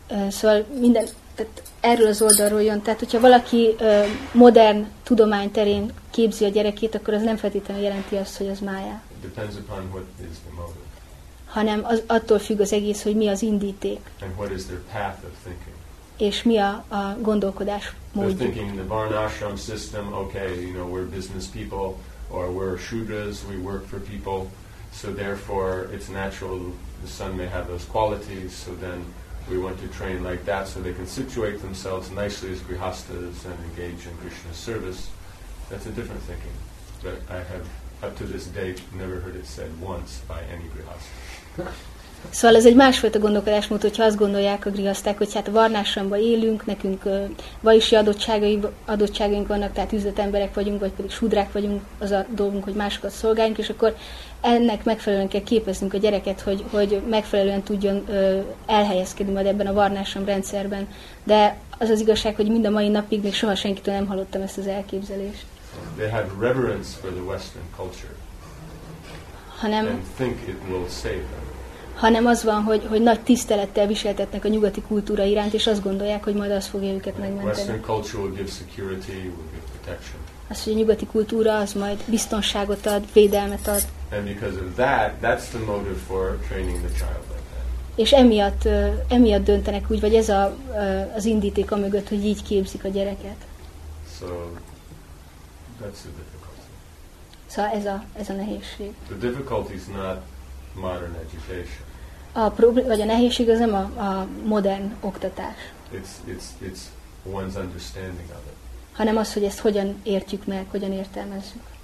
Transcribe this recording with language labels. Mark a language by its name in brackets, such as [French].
[Hungarian] Szóval minden, tehát erről az oldalról jön. Tehát, hogyha valaki modern tudomány terén képzi a gyerekét, akkor az nem feltétlenül jelenti azt, hogy az mája. [English] It depends upon what is the motive. [Hungarian] Hanem az, attól függ az egész, hogy mi az indíték. [English] And what is their path of thinking. [Hungarian] És mi a gondolkodás módjuk. [English] They're thinking the Varnashram system, okay, you know, we're business people, or we're Shudras, we work for people, so therefore it's natural the son may have those qualities, so then we want to train like that so they can situate themselves nicely as grihasthas and engage in Krishna's service. That's a different thinking. But I have, up to this date, never heard it said once by any grihastha. [Hungarian] Szóval ez egy másfajta gondolkodásmód, hogyha azt gondolják a grihaszták, hogy hát a Varnashramban élünk, nekünk vajsi adottságaink vannak, tehát üzletemberek vagyunk, vagy pedig sudrák vagyunk, az a dolgunk, hogy másokat szolgáljunk, és akkor ennek megfelelően kell képeznünk a gyereket, hogy megfelelően tudjon elhelyezkedni majd ebben a Varnashram rendszerben. De az az igazság, hogy mind a mai napig még soha senkitől nem hallottam ezt az elképzelést. [English] They have reverence for the Western culture. [Hungarian] Hanem, [English] and think it will save them. [Hungarian] Hanem az van, hogy nagy tisztelettel viseltetnek a nyugati kultúra iránt, és azt gondolják, hogy majd az fogja őket megmenteni. [English] Western culture will give security, will give protection. [Hungarian] Azt, hogy a nyugati kultúra az majd biztonságot ad, védelmet ad. [English] And because of that, that's the motive for training the child like that. [Hungarian] És emiatt döntenek úgy, vagy ez az indíték amögött, hogy így képzik a gyereket. [English] So, that's the difficulty. [Hungarian] Szóval ez a nehézség. [English] The difficulty is not modern education. [Hungarian] Vagy a nehézség az nem a modern oktatás. [English] It's one's understanding of it. [Hungarian] Hanem az, hogy ezt hogyan értjük meg, hogyan értelmezzük.